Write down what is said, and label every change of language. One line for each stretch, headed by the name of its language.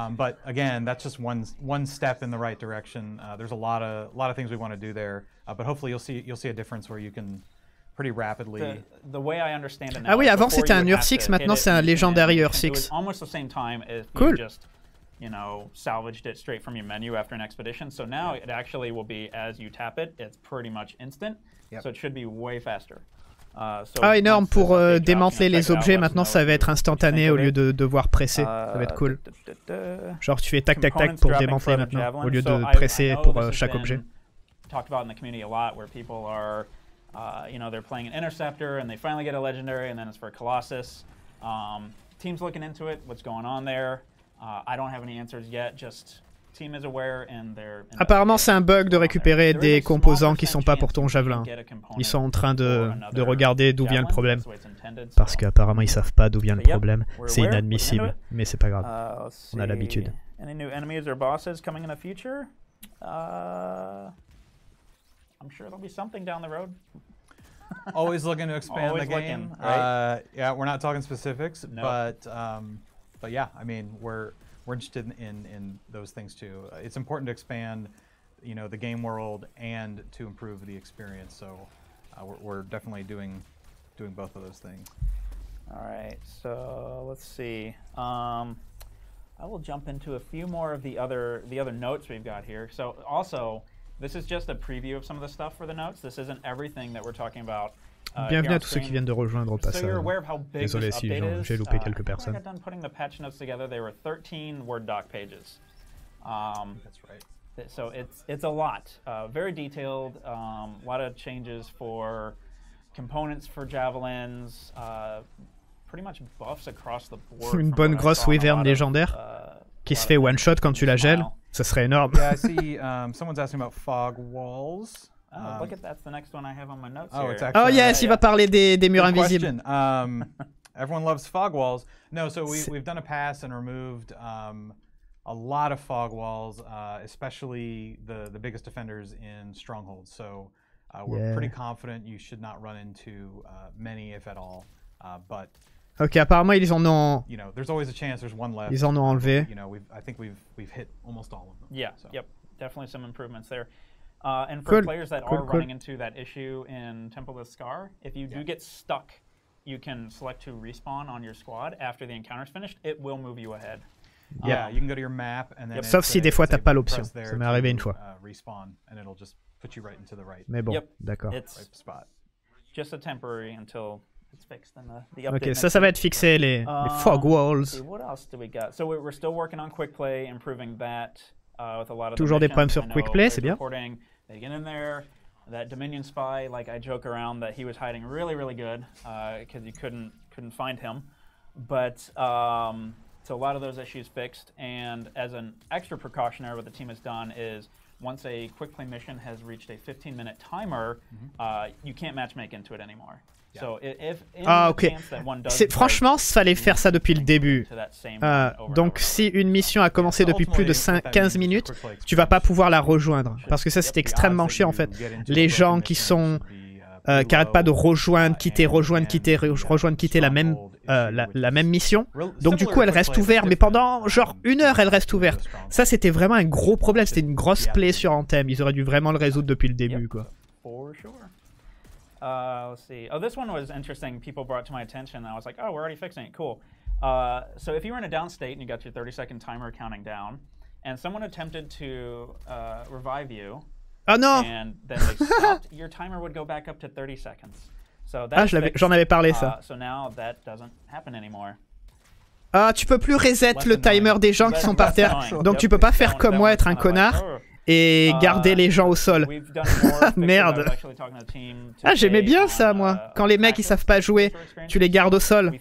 English: But again, that's just one step in the right direction. There's a lot of things we want to do there. But hopefully you'll see a difference where you can pretty rapidly. The way I understand it now.
French: Ah oui, avant c'était un Ursix, maintenant c'est un légendaire Ursix.
English: Almost the same time as cool. Just you know, salvaged it straight from your menu after an expedition. So now it actually will be, as you tap it, it's pretty much instant. Yep. So it should be way faster.
French: Ah, énorme, pour démanteler les objets, maintenant ça va être instantané au lieu de devoir presser, ça va être cool. Genre tu fais tac tac tac pour démanteler maintenant, au lieu de presser pour chaque objet. On a parlé dans la communauté beaucoup, où les gens sont en train de jouer Interceptor, et ils ont finalement un Legendary, et puis c'est pour Colossus.
English: Team's looking into it, what's going on there. I don't have any answers yet, just team is aware and they're...
French: Apparemment, c'est un bug de récupérer des composants qui sont pas pour ton javelin. Ils sont en train de regarder d'où vient le problème. Parce qu'apparemment, ils savent pas d'où vient le problème. C'est inadmissible, mais c'est pas grave. On a l'habitude.
English: Any new enemies or bosses coming in the future? I'm sure there'll be something down the road. Always looking to expand always the game. Looking, right? Yeah, we're not talking specifics, nope. But... But yeah, I mean, we're interested in those things too. It's important to expand, you know, the game world and to improve the experience. So we're definitely doing both of those things. All right. So let's see. I will jump into a few more of the other notes we've got here. So also, this is just a preview of some of the stuff for the notes. This isn't everything that we're talking about.
French: Bienvenue à tous ceux qui viennent de rejoindre au passage. Désolé si j'ai loupé quelques personnes.
English: I got done putting the patch notes together. They were 13 Word doc pages. That's right. So it's a lot. Very detailed. A lot of changes for components for javelins. Pretty much buffs across the board.
French: Une bonne grosse wyvern légendaire qui se fait one shot quand tu la gèles. Ça serait énorme.
English: Yeah, I see. Someone's asking about fog walls. Oh, look at that's the next one I have on my notes. Oh, here. It's actually, oh yes,
French: il va parler des murs invisibles.
English: Everyone loves fog walls. No, so we've done a pass and removed a lot of fog walls, especially the biggest offenders in strongholds. So we're pretty confident you should not run into many, if at all. But
French: okay, apparemment ils en ont.
English: You know, there's always a chance. There's one left.
French: Ils en ont enlevé.
English: You know, I think we've hit almost all of them. Yeah. So. Yep. Definitely some improvements there. And for players that are running into that issue in Temple of Scar, if you do get stuck, you can select to respawn on your squad after the encounter's finished. It will move you ahead. Yeah, you can go to your map and then.
French: Sauf si des fois t'as pas l'option. Ça m'est arrivé une fois.
English: Respawn and it'll just put you right into the right.
French: Mais bon, d'accord.
English: It's right spot. Just a temporary until it's fixed in the update.
French: Okay, ça va être fixé les fog walls.
English: What else do we got? So we're still working on quick play, improving that. With a lot of
French: toujours
English: the
French: des problèmes sur quick play, c'est bien.
English: They get in there. That Dominion spy, like I joke around, that he was hiding really, really good because you couldn't find him. But so a lot of those issues fixed. And as an extra precautionary, what the team has done is once a quick play mission has reached a 15-minute timer, you can't matchmake into it anymore. So if
French: c'est franchement, fallait faire ça depuis le début. Donc si une mission a commencé depuis plus de 15 minutes, tu vas pas pouvoir la rejoindre parce que ça c'est extrêmement chiant en fait. Les gens qui sont qui arrêtent pas de rejoindre, quitter la même mission. Donc du coup, elle reste ouverte, mais pendant genre une heure, elle reste ouverte. Ça c'était vraiment un gros problème. C'était une grosse plaie sur Anthem. Ils auraient dû vraiment le résoudre depuis le début quoi.
English: Let's see. Oh, this one was interesting. People brought to my attention. And I was like, oh, we're already fixing it. Cool. So if you were in a down state and you got your 30-second timer counting down, and someone attempted to revive you, oh, no. And then they stopped, your timer would go back up to 30 seconds. So that's
French: J'en avais parlé, ça.
English: So now that doesn't happen anymore.
French: Ah, tu peux plus reset le timer des gens qui sont par terre. Donc tu peux pas faire comme moi, être un connard. Et garder les gens au sol. Merde. Ah, j'aimais bien ça, moi. Quand les mecs, ils savent pas jouer, tu les gardes au sol.